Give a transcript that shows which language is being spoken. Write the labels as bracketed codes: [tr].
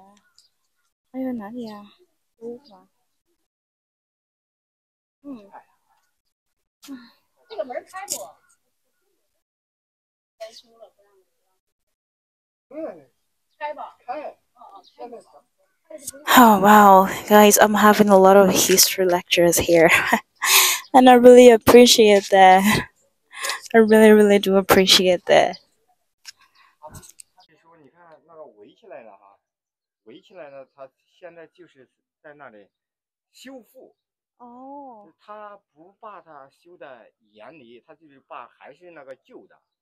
[zh] 嗯，故宫天堂，天安门，还有哪里啊？博物馆。嗯，哎呀，这个门开不？开吧。开。 [en] Oh wow, guys, I'm having a lot of history lectures here, and I really appreciate that. I really, really do appreciate that. [zh] 他就说：“你看那个围起来了哈，围起来了，他现在就是在那里修复。” 哦，他不把它修的严厉，他就是把还是那个旧的，